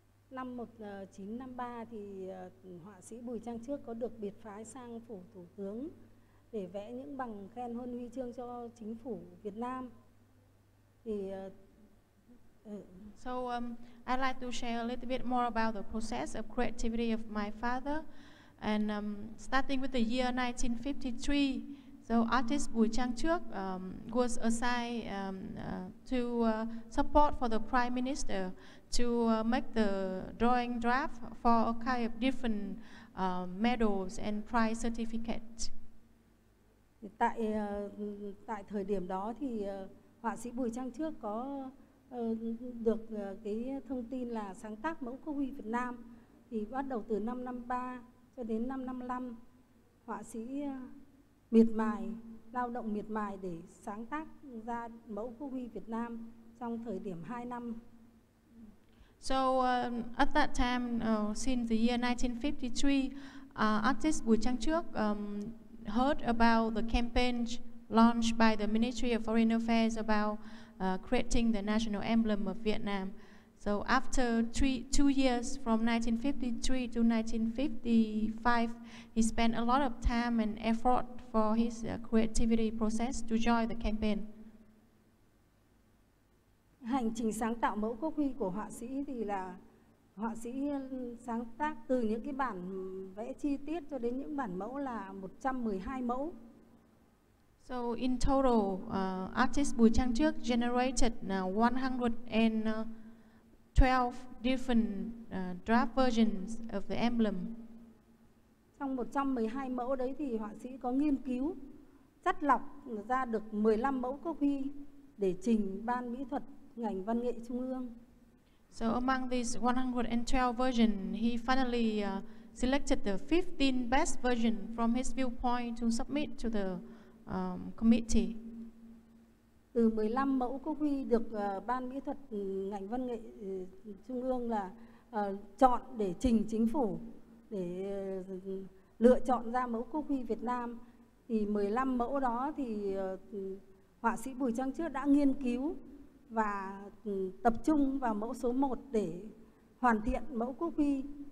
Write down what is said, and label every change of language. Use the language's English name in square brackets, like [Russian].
[Vietnamese] Năm 1953 thì họa sĩ Bùi Trang Trước có được biệt phái sang phủ thủ tướng để vẽ những bằng khen huân huy chương cho chính phủ Việt Nam. Thì [English] so I'd like to share a little bit more about the process of creativity of my father, and starting with the year 1953, so artist Bùi Trang Trước was assigned to support for the prime minister to make the drawing draft for a kind of different medals and prize certificate. [Vietnamese] Tại tại thời điểm đó thì họa sĩ Bùi Trang Trước có được cái thông tin là sáng tác mẫu quốc huy Việt Nam, thì bắt đầu từ năm 53 cho đến năm 55 họa sĩ miệt mài, lao động miệt mài để sáng tác ra mẫu quốc huy Việt Nam trong thời điểm 2 năm. [English] So at that time, since the year 1953, artist Bùi Trang Trước heard about the campaign launched by the Ministry of Foreign Affairs about creating the national emblem of Vietnam. So after two years from 1953 to 1955, he spent a lot of time and effort for his creativity process to join the campaign. [Vietnamese] Hành trình sáng tạo mẫu quốc huy của họa sĩ thì là họa sĩ sáng tác từ những cái bản vẽ chi tiết cho đến những bản mẫu là 112 mẫu. [English] So in total, artist Bùi Trang Trước generated 112 different draft versions of the emblem. [Vietnamese] Trong 112 mẫu đấy thì họa sĩ có nghiên cứu chắt lọc ra được 15 mẫu quốc huy để trình ban mỹ thuật ngành văn nghệ trung ương. [English] So among these 112 versions, he finally selected the 15 best version from his viewpoint to submit to the committee. [Vietnamese] Từ 15 mẫu quốc huy được ban mỹ thuật ngành văn nghệ trung ương là chọn để trình chính phủ để lựa chọn ra mẫu quốc huy Việt Nam, thì 15 mẫu đó thì họa sĩ Bùi Trang Trước đã nghiên cứu và tập trung vào mẫu số 1 để hoàn thiện mẫu quốc huy.